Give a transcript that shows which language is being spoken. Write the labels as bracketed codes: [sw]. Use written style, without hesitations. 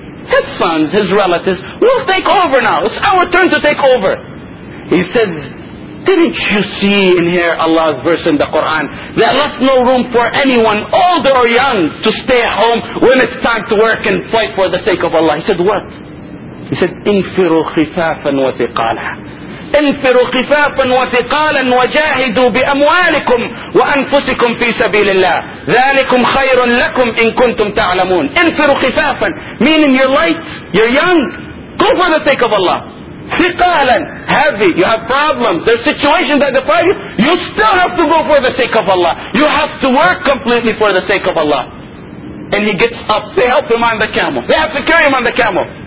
[en] His sons, his relatives, we'll take over now. It's our turn to take over. He says, didn't you see and hear Allah's verse in the Quran that left no room for anyone, older or young, to stay at home when it's time to work and fight for the sake of Allah? He said, what? [ar] He said, انفروا خفافا وثقالا. انفروا خفافا وثقالا وجاهدوا بأموالكم وأنفسكم في سبيل الله. ذلكم خير لكم إن كنتم تعلمون. انفروا خفافا, [en] meaning you're light, you're young, go for the sake of Allah. Thiqalan, heavy, you have problems, there's situations that defy you, you still have to go for the sake of Allah. You have to work completely for the sake of Allah. And he gets up, they help him on the camel, they have to carry him on the camel.